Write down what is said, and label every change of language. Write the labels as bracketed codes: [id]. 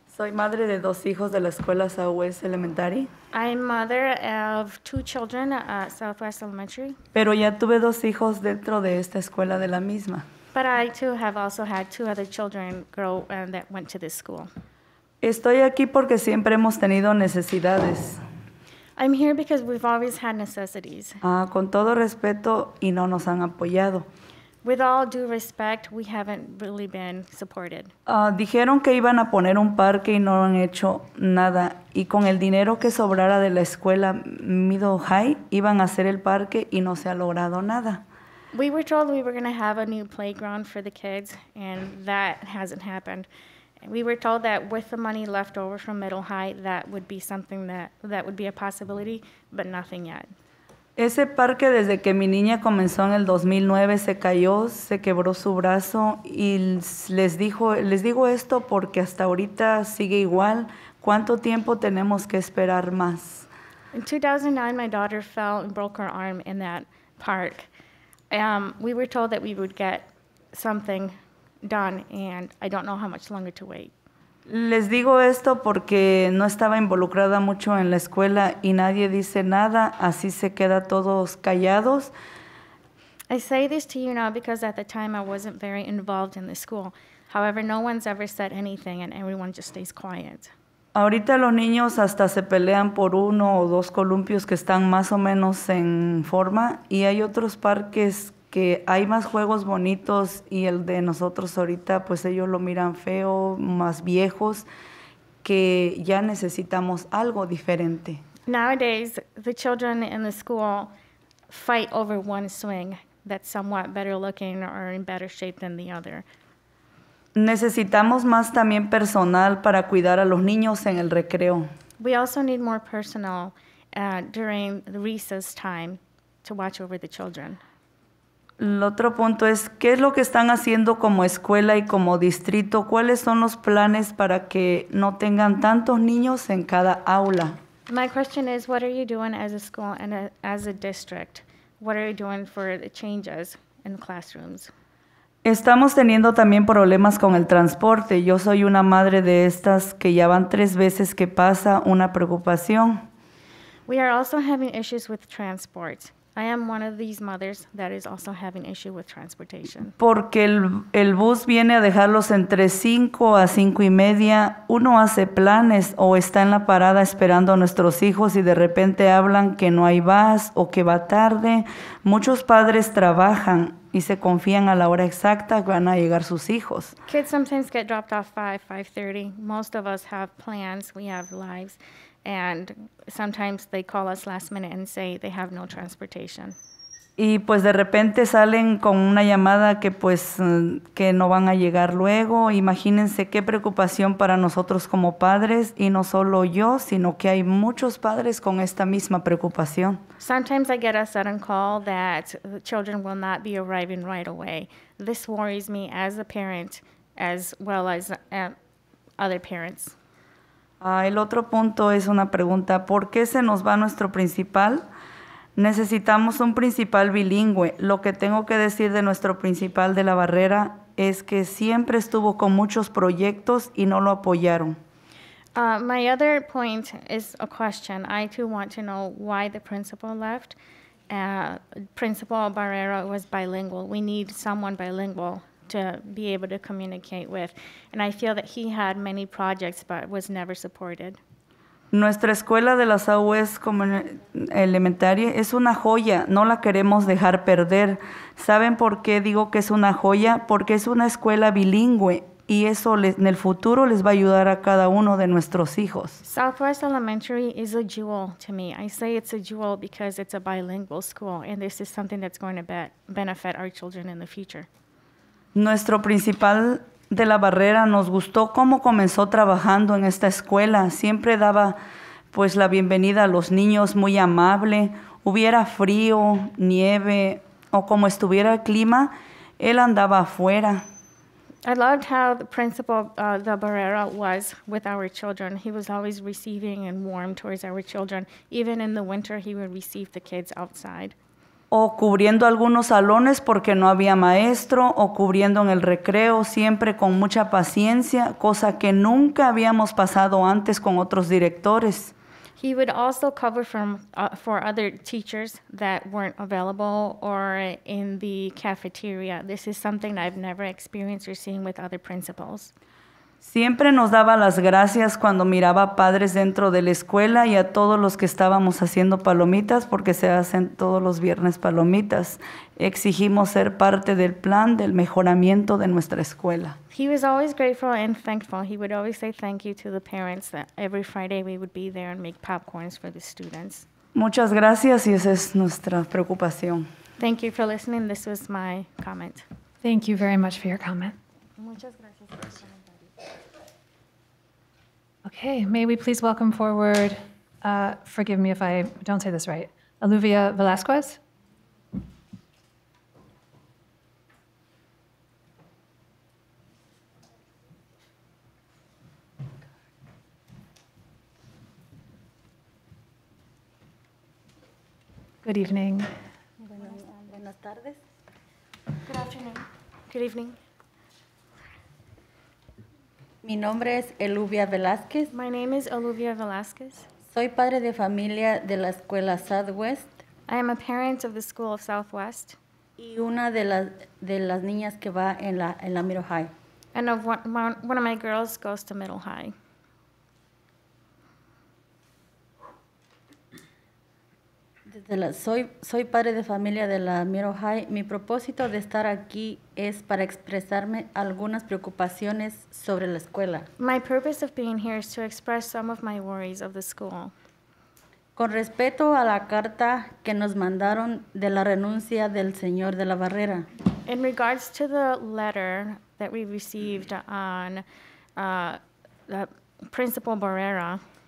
[es] Soy madre de dos hijos de la escuela Southwest Elementary. [en] I'm mother of two children at Southwest Elementary. [es] Pero ya tuve dos hijos dentro de esta escuela de la misma. [en] But I too have also had two other children grow and that went to this school. [es] Estoy aquí porque siempre hemos tenido necesidades. [en] I'm here because we've always had necessities. [es] Con todo respeto y no nos han apoyado. [en] With all due respect, we haven't really been supported. [es] Dijeron que iban a poner un parque y no han hecho nada. Y con el dinero que sobrara de la escuela Middle High, iban a hacer el parque y no se ha logrado nada. [en] We were told we were going to have a new playground for the kids, and that hasn't happened. We were told that with the money left over from Middle High, that would be something that would be a possibility, but nothing yet. [es] Ese parque desde que mi niña comenzó en el 2009 se cayó, se quebró su brazo y les digo esto porque hasta ahorita sigue igual. ¿Cuánto tiempo tenemos que esperar más? [en] In 2009, my daughter fell and broke her arm in that park. We were told that we would get something done and I don't know how much longer to wait. [es] Les digo esto porque no estaba involucrada mucho en la escuela y nadie dice nada, así se queda todos callados. [en] I say this to you now because at the time I wasn't very involved in the school. However, no one's ever said anything and everyone just stays quiet. [es] Ahorita los niños hasta se pelean por uno o dos columpios que están más o menos en forma y hay otros parques que hay más juegos bonitos y el de nosotros ahorita, pues ellos lo miran feo, más viejos, que ya necesitamos algo diferente. [en] Nowadays, the children in the school fight over one swing that's somewhat better looking or in better shape than the other. [es] Necesitamos más también personal para cuidar a los niños en el recreo. [en] We also need more personal during the recess time to watch over the children. [es] El otro punto es, ¿qué es lo que están haciendo como escuela y como distrito? ¿Cuáles son los planes para que no tengan tantos niños en cada aula? [en] My question is, what are you doing as a school and as a district? What are you doing for the changes in classrooms? [es] Estamos teniendo también problemas con el transporte. Yo soy una madre de estas que ya van tres veces que pasa una preocupación. [en] We are also having issues with transport. I am one of these mothers that is also having issue with transportation. [es] Porque el bus viene a dejarlos entre 5 a 5 y media. Uno hace planes o está en la parada esperando a nuestros hijos y de repente hablan que no hay bus o que va tarde. Muchos padres trabajan y se confían a la hora exacta que van a llegar sus hijos. [en] Kids sometimes get dropped off 5, 5:30. Most of us have plans, we have lives. And sometimes they call us last minute and say they have no transportation. [es] Y pues de repente salen con una llamada que pues que no van a llegar luego. Imagínense qué preocupación para nosotros como padres, y no solo yo, sino que hay muchos padres con esta misma preocupación. [en] Sometimes I get a sudden call that the children will not be arriving right away. This worries me as a parent as well as other parents. [es] El otro punto es una pregunta. ¿Por qué se nos va nuestro principal? Necesitamos un principal bilingüe. Lo que tengo que decir de nuestro principal de la barrera es que siempre estuvo con muchos proyectos y no lo apoyaron. [en] My other point is a question. I too want to know why the principal left. Principal Barrera was bilingual. We need someone bilingual to be able to communicate with. And I feel that he had many projects but was never supported. [es] Nuestra escuela de la Southwest Elementary es una joya. No la queremos dejar perder. ¿Saben por qué digo que es una joya? Porque es una escuela bilingüe. Y eso en el futuro les va a ayudar a cada uno de nuestros hijos. [en] Southwest Elementary is a jewel to me. I say it's a jewel because it's a bilingual school. And this is something that's going to benefit our children in the future. [es] Nuestro principal de la barrera nos gustó cómo comenzó trabajando en esta escuela. Siempre daba pues la bienvenida a los niños, muy amable. Hubiera frío, nieve, o como estuviera el clima, él andaba afuera. [en] I loved how the principal de Barrera was with our children. He was always receiving and warm towards our children. Even in the winter, he would receive the kids outside. [es] O cubriendo algunos salones porque no había maestro, o cubriendo en el recreo, siempre con mucha paciencia, cosa que nunca habíamos pasado antes con otros directores. [en] He would also cover for other teachers that weren't available or in the cafeteria. This is something I've never experienced or seen with other principals. [es] Siempre nos daba las gracias cuando miraba a padres dentro de la escuela y a todos los que estábamos haciendo palomitas, porque se hacen todos los viernes palomitas. Exigimos ser parte del plan del mejoramiento de nuestra escuela. [en] He was always grateful and thankful. He would always say thank you to the parents that every Friday we would be there and make popcorns for the students. [es] Muchas gracias, y esa es nuestra preocupación. [en] Thank you for listening. This was my comment. Thank you very much for your comment. [es] Muchas gracias. [en] Okay, may we please welcome forward, forgive me if I don't say this right, Aluvia Velasquez. Good evening. [es] Buenas tardes. [en] Good afternoon. Good evening. [es] Mi nombre es Eluvia Velázquez. [en] My name is Eluvia Velázquez. [es] Soy padre de familia de la escuela Southwest. [en] I am a parent of the school of Southwest. [es] Y una de las niñas que va en la Middle High. [en] And of one of my girls goes to Middle High. [es] Soy padre de familia de la Middle High. Mi propósito de estar aquí es para expresarme algunas preocupaciones sobre la escuela. [en] My purpose of being here is to express some of my worries of the school. [es] Con respecto a la carta que nos mandaron de la renuncia del señor de la barrera. [en] In regards to the letter that we received on the Principal Barrera.